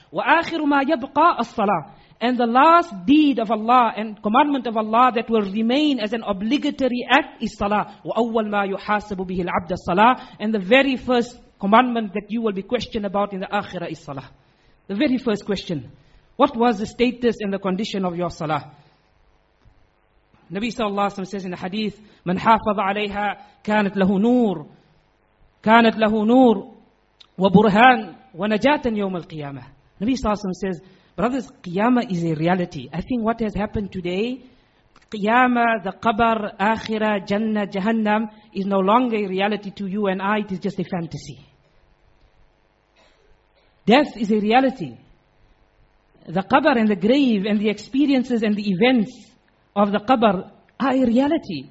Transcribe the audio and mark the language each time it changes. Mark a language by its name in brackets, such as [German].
[Arabic] Wa akhiru ma yabqa as-salah. [English] And the last deed of Allah and commandment of Allah that will remain as an obligatory act is salah. [Arabic] وَأَوَّلْ مَا يُحَاسَبُ بِهِ الْعَبْدَ الصَّلَاةِ. [English] And the very first commandment that you will be questioned about in the akhirah is salah. The very first question. What was the status and the condition of your salah? Nabi sallallahu alayhi wa sallam says in the hadith, [Arabic] مَنْ حَافَظَ عَلَيْهَا كَانَتْ لَهُ نُورٌ كَانَتْ لَهُ نُورٌ وَبُرْهَانٌ وَنَجَاتًا يَوْمَ الْقِيَامَةِ. [English] Nabi sallallahu alayhi wa sallam says, brothers, Qiyamah is a reality. I think what has happened today, Qiyamah, the Qabr, Akhirah, Jannah, Jahannam, is no longer a reality to you and I. It is just a fantasy. Death is a reality. The Qabr and the grave and the experiences and the events of the Qabr are a reality.